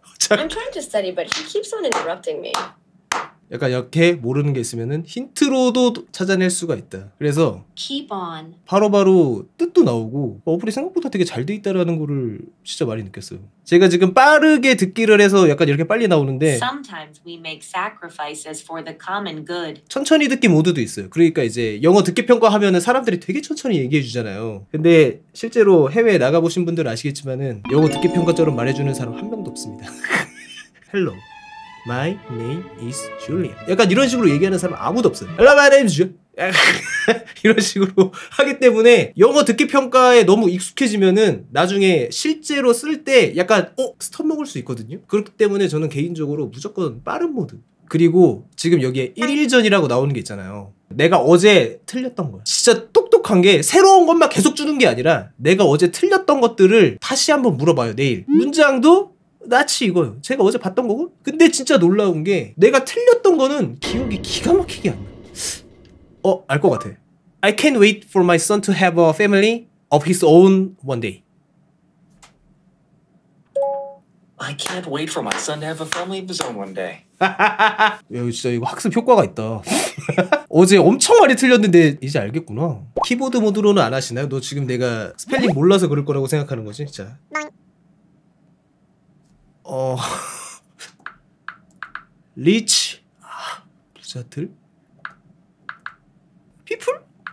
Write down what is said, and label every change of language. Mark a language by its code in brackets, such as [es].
[en] I'm trying to study but he keeps on interrupting me. [ko] 약간 이렇게 모르는 게 있으면은 힌트로도 찾아낼 수가 있다. 그래서 [en] keep on [ko] 바로바로 뜻도 나오고 어플이 생각보다 되게 잘 돼 있다라는 거를 진짜 많이 느꼈어요. 제가 지금 빠르게 듣기를 해서 약간 이렇게 빨리 나오는데 [en] sometimes we make sacrifices for the common good. [ko] 천천히 듣기 모드도 있어요. 그러니까 이제 영어 듣기 평가 하면은 사람들이 되게 천천히 얘기해 주잖아요. 근데 실제로 해외에 나가 보신 분들 아시겠지만은 영어 듣기 평가처럼 말해 주는 사람 한 명도 없습니다. [en] Hello. My name is Julian. [ko] 약간 이런 식으로 얘기하는 사람 아무도 없어요. [en] Hello, my name is Julian. [ko] 이런 식으로 하기 때문에 영어 듣기 평가에 너무 익숙해지면은 나중에 실제로 쓸 때 약간 스톱 먹을 수 있거든요. 그렇기 때문에 저는 개인적으로 무조건 빠른 모드. 그리고 지금 여기에 1일전이라고 나오는 게 있잖아요. 내가 어제 틀렸던 거야. 진짜 똑똑한 게 새로운 것만 계속 주는 게 아니라 내가 어제 틀렸던 것들을 다시 한번 물어봐요, 내일. 문장도 나치 이거요. 제가 어제 봤던 거고. 근데 진짜 놀라운 게 내가 틀렸던 거는 기억이 기가 막히게 안 나. 알 것 같아. [en] I can't wait for my son to have a family of his own one day. I can't wait for my son to have a family of his own one day. [ko] 야, 진짜 이거 학습 효과가 있다. 어제 엄청 많이 틀렸는데 이제 알겠구나. 키보드 모드로는 안 하시나요? 너 지금 내가 스펠링 몰라서 그럴 거라고 생각하는 거지? 자. 리치 부자들 피플?